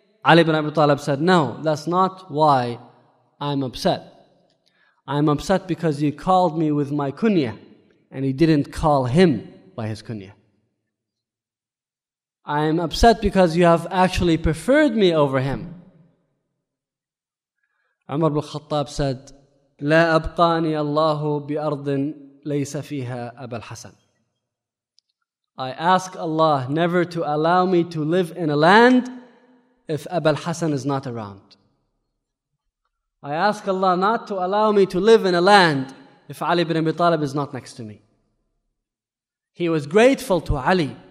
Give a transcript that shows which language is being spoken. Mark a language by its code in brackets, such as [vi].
[en] Ali ibn Abi Talib said, no, that's not why I'm upset. I'm upset because you called me with my kunya and he didn't call him by his kunya. I am upset because you have actually preferred me over him. Umar ibn Khattab said, [ar] لا أبقاني الله بأرض ليس فيها أبا الحسن. [en] I ask Allah never to allow me to live in a land if Aba al-Hasan is not around. I ask Allah not to allow me to live in a land if Ali ibn Abi Talib is not next to me. He was grateful to Ali